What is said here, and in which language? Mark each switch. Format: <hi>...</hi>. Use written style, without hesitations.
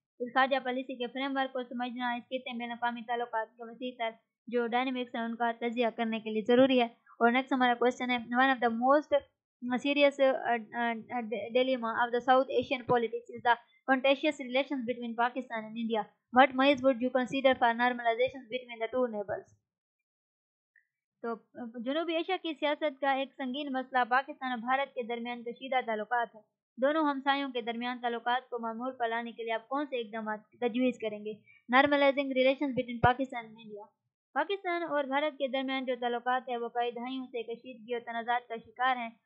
<ur>اس خارجہ پالیسی کے frame work کو سمجھنا اس خطے میں بین الاقوامی تعلقات کے وسیع تر جو ڈائنمکس ہیں ان کا تجزیہ کرنے کے لیے ضروری ہے.</ur> <en>اور نیکسٹ ہمارا کوشچن ہے, one of the most serious dilemma of the South Asian politics is the contentious relations between Pakistan and India. What measures would you consider for normalization between the two neighbors?</en> <ur>تو جنوبی Asia کی سیاست کا ایک سنگین مسئلہ پاکستان اور بھارت کے درمیان کشیدہ تعلقات ہے. دونوں ہمسایوں کے درمیان تعلقات کو معمول پر لانے کے لیے آپ کون سے اقدامات تجویز کریں گے؟</ur> <en>normalizing relations between Pakistan and India.</en> <ur>Pakistan اور بھارت کے درمیان جو تعلقات ہیں وہ کئی دہائیوں سے کشیدگی اور تنازعات کا شکار ہیں.</ur>